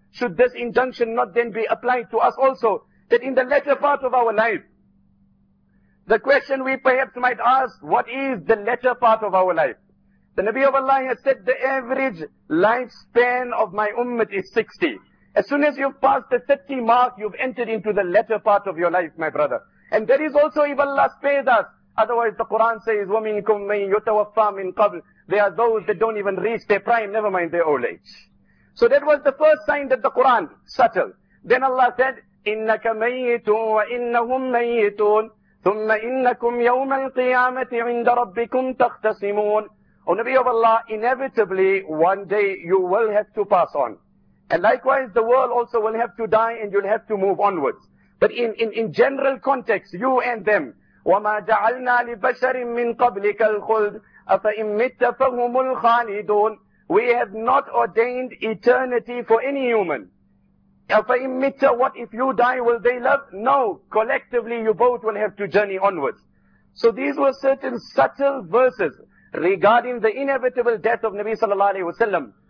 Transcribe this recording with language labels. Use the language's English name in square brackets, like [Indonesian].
[English] Should this injunction not then be applied to us also, that in the latter part of our life, the question we perhaps might ask, what is the latter part of our life? The Nabi of Allah has said, the average lifespan of my ummah is 60. As soon as you've passed the 30 mark, you've entered into the latter part of your life, my brother. And that is also if Allah spares us. Otherwise, the Quran says, [Arabic] وَمِنْكُمْ مَنْ يُتَوَفَّى مِنْ قَبْلِ. [English] They are those that don't even reach their prime, never mind their old age. So that was the first sign that the Quran, subtle. Then Allah said, [Arabic] إِنَّكَ مَيِّتٌ وَإِنَّهُمْ مَيِّتُونَ ثُمَّ إِنَّكُمْ يَوْمَ الْقِيَامَةِ عِنْدَ رَبِّكُمْ تَخْتَصِمُونَ. [English] O Nabi of Allah, inevitably one day you will have to pass on. And likewise the world also will have to die and you'll have to move onwards. But in general context, you and them, [Arabic] وَمَا جَعَلْنَا لِبَشَرٍ مِّن قَبْلِكَ الْخُلْدِ أَفَإِن مِتَّ فَهُمُ الْخَالِدُونَ. [English] We have not ordained eternity for any human. [Arabic] أَفَإِن مِتَّ, [English] what if you die, will they live? No, collectively you both will have to journey onwards. So these were certain subtle verses regarding the inevitable death of Nabi sallallahu alayhi wa sallam.